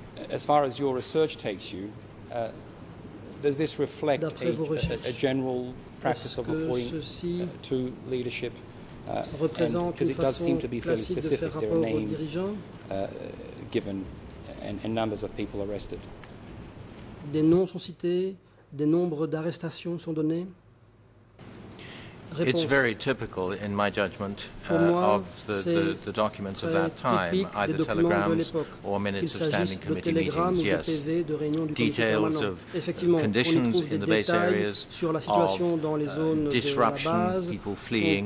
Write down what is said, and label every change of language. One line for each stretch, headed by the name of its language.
English: As far as your research takes you, does this reflect a general practice of reporting to leadership? Because it does seem to be fairly specific, there are names given and numbers of people arrested.
French: Des noms sont cités, des nombres d'arrestations sont donnés.
English: It's very typical, in my judgment, of the documents of that time, either telegrams or minutes of standing committee meetings, yes. Details of conditions in the base areas, of disruption, people fleeing,